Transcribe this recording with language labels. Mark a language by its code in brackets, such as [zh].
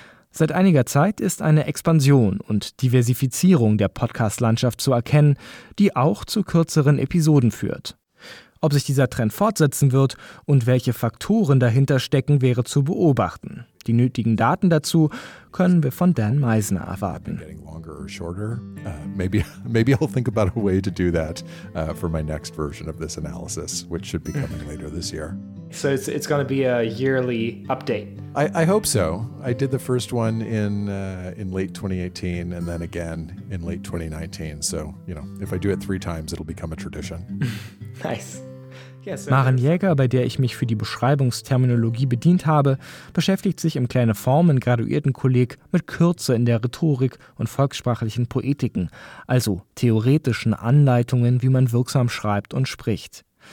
[de] Seit einiger Zeit ist eine Expansion und Diversifizierung der Podcast-Landschaft zu erkennen, die auch zu kürzeren Episoden führt. Ob sich dieser Trend fortsetzen wird und welche Faktoren dahinter stecken, wäre zu beobachten. Die nötigen Daten dazu können wir von Dan Meisner erwarten. [en] Getting longer or shorter? Maybe I'll think about a way to do that for my next version of this analysis, which should be coming later this year. So it's going to be a yearly update. I hope so. I did the first one in late 2018 and then again in late 2019. So, you know, if I do it three times, it'll become a tradition. Nice. [de] Maren Jäger, bei der ich mich für die Beschreibungsterminologie bedient habe, beschäftigt sich im Kleine Formen Graduiertenkolleg mit Kürze in der Rhetorik und volkssprachlichen Poetiken, also theoretischen Anleitungen, wie man wirksam schreibt und spricht.